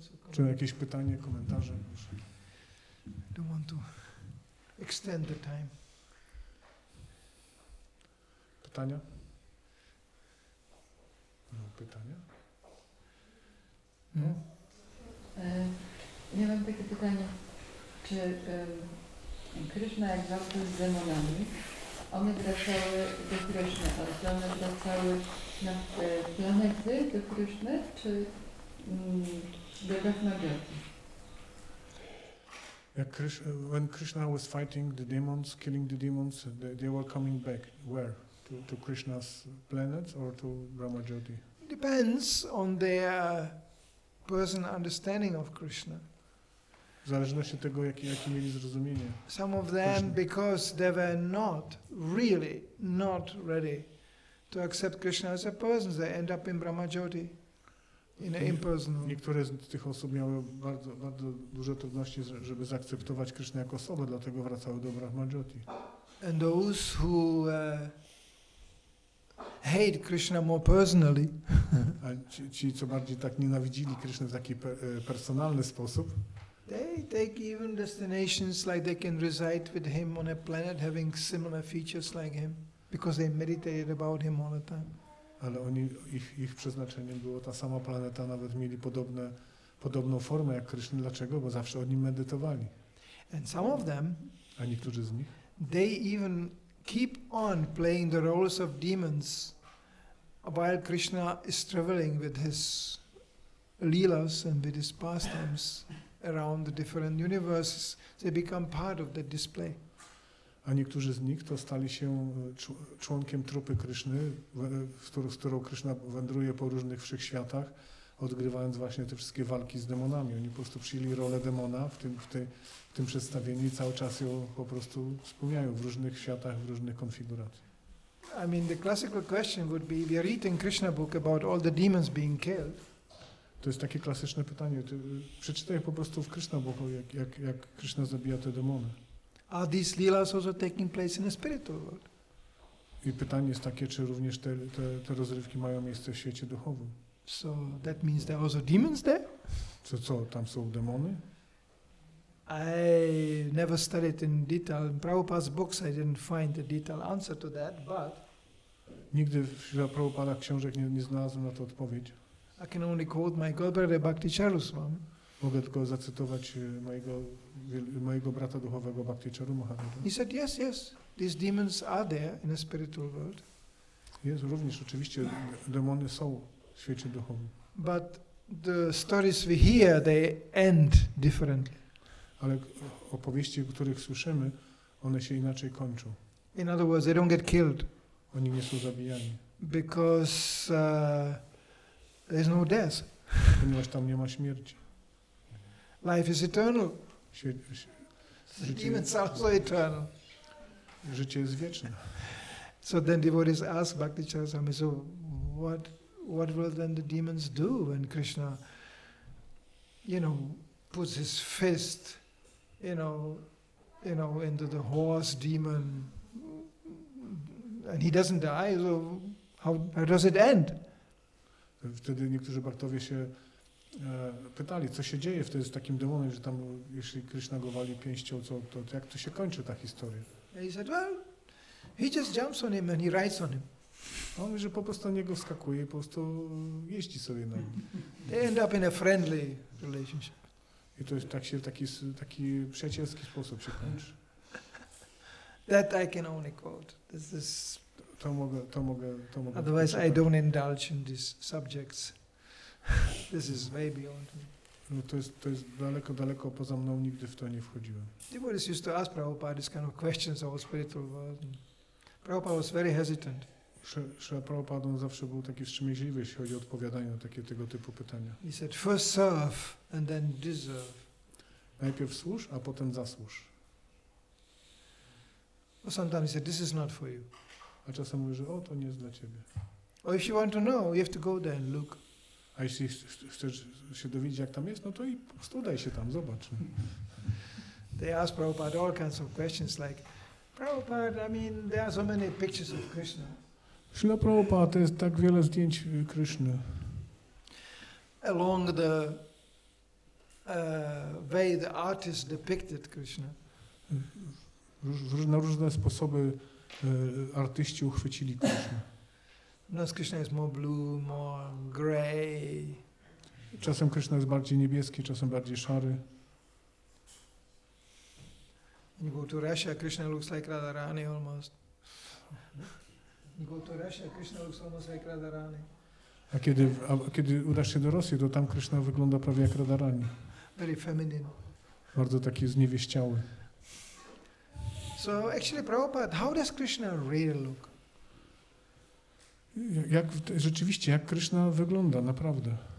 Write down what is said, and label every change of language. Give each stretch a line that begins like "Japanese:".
Polish: Czy jakieś pytanie, komentarze?
English: Don't want to extend the time.
Polish: Pytania? No, pytania? No. Ja mam takie pytanie. Czy Krishna, jak walczył z demonami, one wracały do Krishna, a czy one wracały na te planety do Krishna, czy do Rachnagarki?
English: Yeah, when Krishna was fighting the demons, killing the demons, they were coming back. Where? To Krishna's planet or to Brahmajyoti? Depends on their personal understanding of Krishna.
Polish: W zależności od tego, jakie mieli zrozumienie.
English: Some of them, Krishna. Because they were not really ready to accept Krishna as a person, they end up in Brahmajyoti.
Polish: Niektóre z tych osób miały bardzo, bardzo duże trudności, żeby zaakceptować Krishna jako osobę, dlatego wracały do Brahmajyoti.
English: And those who hate Krishna more personally.
Polish: A ci co bardziej tak nienawidzili Krishna w taki personalny sposób.
English: They take even destinations like they can reside with him on a planet having similar features like him, because they meditated about him all the time.
Polish: Ale oni, ich przeznaczeniem było ta sama planeta, nawet mieli podobną formę jak Krishna. Dlaczego? Bo zawsze o nim medytowali.
English: And some of them,
Polish: a niektórzy z nich,
English: they even keep on playing the roles of demons while Krishna is traveling with his leelas and with his pastimes around the different universes. They become part of the display.
Polish: A niektórzy z nich to stali się członkiem trupy Kryszny, z którą Kryszna wędruje po różnych wszechświatach, odgrywając właśnie te wszystkie walki z demonami. Oni po prostu przyjęli rolę demona w tym przedstawieniu i cały czas ją po prostu spełniają w różnych światach, w różnych konfiguracjach.
English: I mean, the classical question would be, if you're reading Krishna book about all the demons being killed.
Polish: To jest takie klasyczne pytanie. Przeczytaj po prostu w Krishna book, jak Krishna zabija te demony.
English: Are these leelas also taking place in the spiritual world?
Polish: I pytanie jest takie, czy również te rozrywki mają miejsce w świecie duchowym.
English: So that means there are also demons there?
Polish: Co, tam są demony?
English: I never studied in detail. In Prabhupada's books I didn't find a detailed answer to that, but...
Polish: Nigdy w Prabhupada książek nie znalazłem na to odpowiedź.
English: I can only quote my godbrother Bhakti Charuswami.
Polish: Mogę tylko zacytować mojego brata duchowego Bhakti Charu Maharaja.
English: He said, yes, these demons are there in a spiritual world. Yes,
Polish: również oczywiście demony są w świecie duchowym.
English: But the stories we hear, they end differently.
Polish: Ale opowieści, których słyszymy, one się inaczej kończą.
English: In other words, they don't get killed.
Polish: Oni nie są zabijani.
English: Because there's no death. Ponieważ tam nie ma śmierci. Life is eternal. Demons are also eternal.
Polish: Życie jest wieczne.
English: So then devotees ask Bhakti Charaswami, so what will then the demons do when Krishna, you know, puts his fist, you know, into the horse demon, and he doesn't die. So how does it end?
Polish: Wtedy niektórzy bhaktowie się pytali, co się dzieje wtedy z takim demonem, że tam, jeśli Krishna go wali pięścią, to jak to się kończy ta historia?
English: He said, well, he just jumps on him and he rides on him.
Polish: On mówi, że po prostu na niego wskakuje i po prostu jeździ sobie na nim.
English: They end up in a friendly relationship.
Polish: I to jest tak się, taki przyjacielski sposób się kończy.
English: That I can only quote. This is...
Polish: To mogę otwierać. Otwierać.
English: I don't indulge in these subjects. This is way beyond me.
Polish: No to jest daleko, daleko poza mną, nigdy w to nie wchodziłem.
English: Devotees used to ask Prabhupada these kind of questions about spiritual world. Prabhupada was very hesitant.
Polish: Srila Prabhupada zawsze był taki wstrzemięźliwy, jeśli chodzi o odpowiadanie na takie tego typu pytania.
English: He said, first serve and then deserve.
Polish: Najpierw służ, a potem zasłuż.
English: Or sometimes he said, this is not for you.
Polish: A czasem mówi, że to nie jest dla ciebie.
English: Or if you want to know, you have to go there and look.
Polish: A jeśli chcesz się dowiedzieć, jak tam jest, no to i po prostu udaj się tam, zobacz.
English: They ask Prabhupada all kinds of questions like, Prabhupada, I mean, there are so many pictures of Krishna.
Polish: Śrila Prabhupada, jest tak wiele zdjęć Krishna.
English: Along the way the artist depicted Krishna.
Polish: Na różne sposoby artyści uchwycili Krishna. No, Krishna jest
English: more blue, more gray.
Polish: Czasem Krishna jest bardziej niebieski, czasem bardziej szary.
English: You go to Russia, Krishna looks like Radharani almost. You go to Russia, Krishna looks almost like Radharani.
Polish: A kiedy udasz się do Rosji, to tam Krishna wygląda prawie jak Radharani.
English: Very feminine.
Polish: Bardzo taki zniewieściały.
English: So actually, Prabhupada, how does Krishna really look?
Polish: Jak rzeczywiście, jak Krishna wygląda, naprawdę.